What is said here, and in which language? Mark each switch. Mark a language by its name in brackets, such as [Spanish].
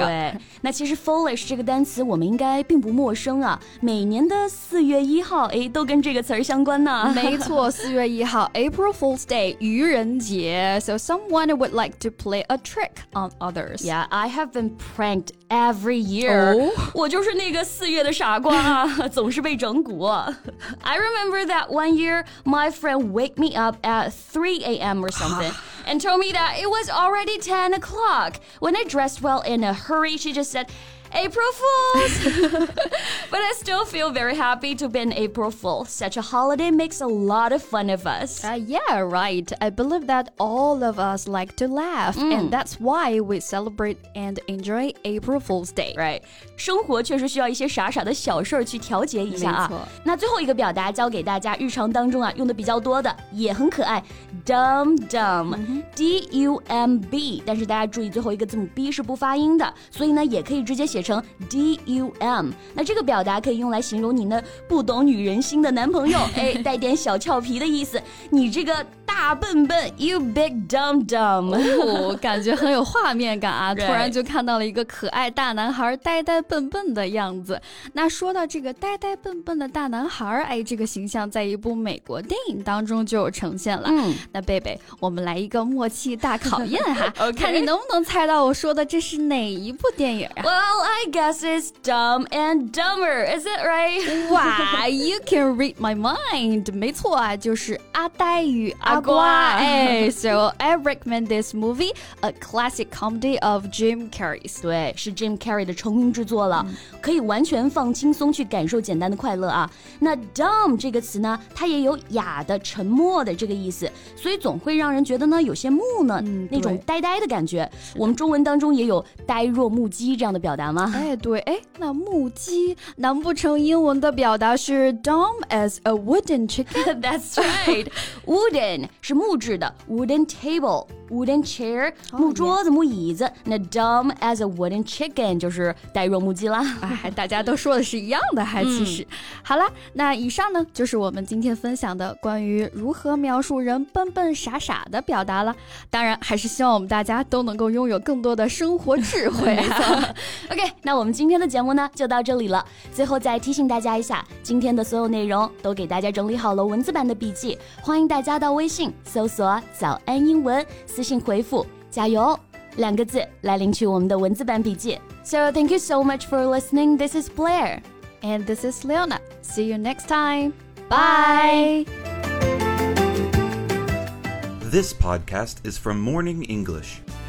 [Chinese] 对那其实 foolish 这个单词我们应该并不陌生啊每年的四月一号哎，都跟这个词相关呢没错四月一号 [English] April Fool's Day [Chinese] 愚人节 [English] so someone would like to play a trick on others yeah I have been pranked every year. [Chinese] 我就是那个四月的傻瓜啊，总是被整蛊。 [English] I remember that one year, my friend wake me up at 3 a.m. or something. And told me that it was already 10 o'clock. When I dressed well in a hurry, she just said, April Fools! But I still feel very happy to be an April Fool. Such a holiday makes a lot of fun of us. Yeah, right. I believe that all of us like to laugh. And that's why we celebrate and enjoy April Fool's Day. Right. [Chinese] 生活确实需要一些傻傻的小事去调节一下啊。那最后一个表达教给大家日常当中啊用的比较多的也很可爱。 Dumb dumb, D-U-M-B, 但是大家注意最后一个字母 B 是不发音的所以呢也可以直接写成 D-U-M, 那这个表达可以用来形容你那不懂女人心的男朋友哎，带点小俏皮的意思你这个大笨笨 [English] You big dumb dumb、 [Chinese] 哦、感觉很有画面感啊突然就看到了一个可爱大男孩呆呆笨笨的样子那说到这个呆呆笨笨的大男孩哎，这个形象在一部美国电影当中就有呈现了那贝贝我们来一个默契大考验哈 [English] 、okay. [Chinese] 看你能不能猜到我说的这是哪一部电影、啊、 [English] Well, I guess it's Dumb and Dumber, is it right? Wow, you can read my mind [Chinese] 没错啊就是阿呆与阿瓜 [English] 哎So I recommend this movie A classic comedy of Jim Carrey's [Chinese] 对是 Jim Carrey 的成名之作了、可以完全放轻松去感受简单的快乐啊那 Dumb 这个词呢它也有哑的沉默的这个意思所以总会让人觉得呢有些木呢、那种呆呆的感觉我们中文当中也有呆若木鸡这样的表达吗哎对哎那木鸡难不成英文的表达是 [English] dumb as a wooden chicken that's right [Chinese] wooden 是木质的 wooden table wooden chair 木桌子、木椅子那 [English] dumb as a wooden chicken [Chinese] 就是呆若木鸡啦哎大家都说的是一样的还其实、好啦那以上呢就是我们今天分享的关于如何描述人笨笨傻傻的表达了当然还是希望我们大家都能够拥有更多的生活智慧、 OK 那我们今天的节目呢就到这里了最后再提醒大家一下今天的所有内容都给大家整理好了文字版的笔记欢迎大家到微信搜索早安英文私信回复加油两个字来领取我们的文字版笔记 [English] So thank you so much for listening This is Blair And this is Leona See you next time Bye This podcast is from Morning English.